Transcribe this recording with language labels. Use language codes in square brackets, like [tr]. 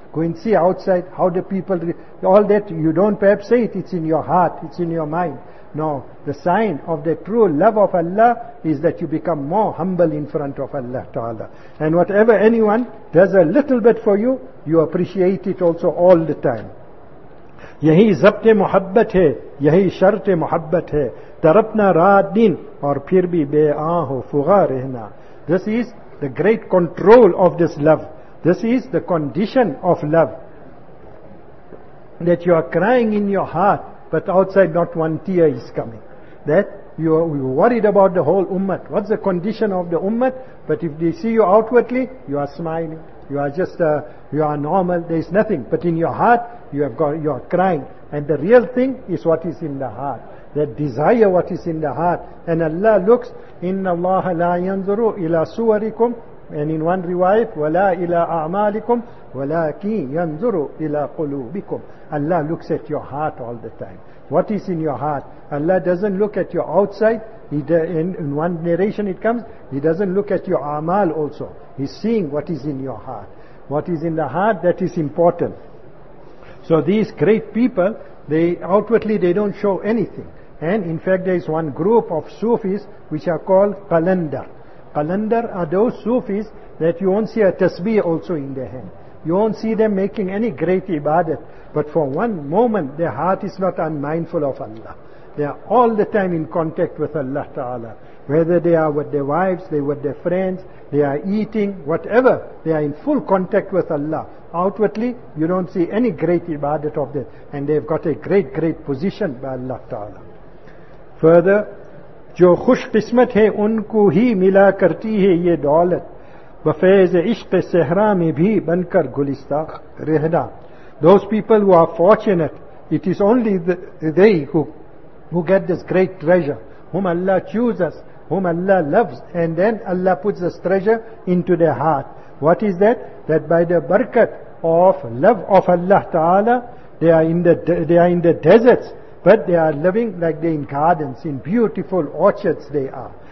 [en] Go and see outside how the people, all that, you don't perhaps say it, it's in your heart, it's in your mind. No, the sign of the true love of Allah is that you become more humble in front of Allah Ta'ala. And whatever anyone does a little bit for you, you appreciate it also all the time. [ur] یہی ضبط محبت ہے یہی شرط محبت ہے تڑپنا رات دن اور پھر بھی بے آہ و فغا رہنا. [en] This is the great control of this love. This is the condition of love, that you are crying in your heart, but outside not one tear is coming. That you are worried about the whole ummat. What's the condition of the ummat? But if they see you outwardly, you are smiling. You are just, you are normal, there is nothing. But in your heart, you are crying. And the real thing is what is in the heart. That desire what is in the heart. And Allah looks, [ar] إِنَّ اللَّهَ لَا يَنْظُرُ إِلَىٰ سُوَرِكُمْ. [en] And in one riwayat, [ar] وَلَا إِلَىٰ أَعْمَالِكُمْ وَلَاكِي يَنْظُرُ إِلَىٰ قُلُوبِكُمْ. [en] Allah looks at your heart all the time. What is in your heart? Allah doesn't look at your outside. In one narration it comes, He doesn't look at your amal also. He's seeing what is in your heart. What is in the heart, that is important. So these great people, they outwardly they don't show anything. And in fact there is one group of Sufis which are called Qalandar. Qalandar are those Sufis that you won't see a tasbih also in their hand. You won't see them making any great ibadat. But for one moment their heart is not unmindful of Allah. They are all the time in contact with Allah Ta'ala. Whether they are with their wives, they with their friends, they are eating, whatever, they are in full contact with Allah. Outwardly, you don't see any great ibadat of them. And they've got a great, great position by Allah Ta'ala. Further, [ur] جو خوش قسمت ہے ان کو ہی ملا کرتی ہے یہ دولت بفیض عشق صحرا میں بھی بن کر گلستہ رہنا. [en] Those people who are fortunate, it is only they who get this great treasure, whom Allah chooses, whom Allah loves, and then Allah puts this treasure into their heart. What is that? That by the barakat of love of Allah Ta'ala, they are in the deserts, but they are living like they're in gardens, in beautiful orchards they are.